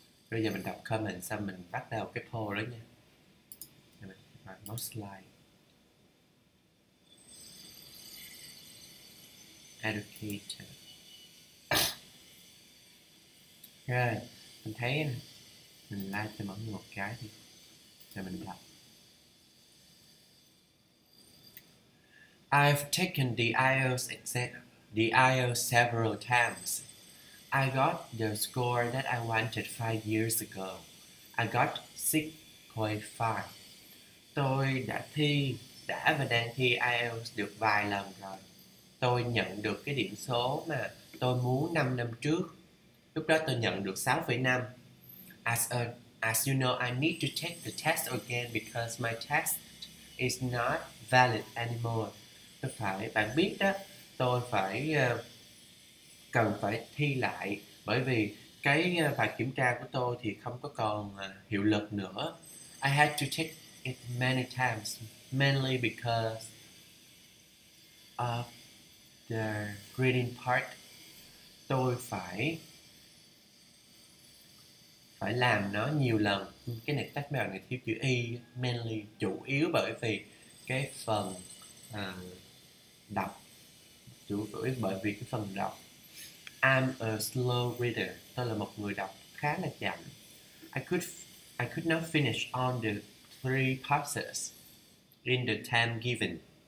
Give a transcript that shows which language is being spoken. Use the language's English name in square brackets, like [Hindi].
[Vietnamese] Bây giờ mình đọc comment xong mình bắt đầu cái poll đó nha. [English] Most slide. Educator. [Vietnamese] Ok, mình thấy mình like cho mọi người một cái đi. Cho mình đọc. [English] I've taken the IELTS exam, the IELTS several times. I got the score that I wanted 5 years ago. I got 6.5. [Vietnamese] Tôi đã và đang thi IELTS được vài lần rồi. Tôi nhận được cái điểm số mà tôi muốn 5 năm trước. Lúc đó tôi nhận được 6.5. [English] As you know, I need to take the test again because my test is not valid anymore. [Vietnamese] Tôi phải, bạn biết đó, tôi phải cần phải thi lại bởi vì cái bài kiểm tra của tôi thì không có còn hiệu lực nữa. [English] I had to take it many times, mainly because of the reading part. [Vietnamese] Tôi phải làm nó nhiều lần. Cái này tắt mèo này thiếu chữ y, [English] mainly, [Vietnamese] chủ yếu bởi vì cái phần đọc, chủ yếu bởi vì cái phần đọc. [English] I'm a slow reader. [Vietnamese] Tôi là một người đọc khá là chậm. [English] I could not finish all the three passages in the time given.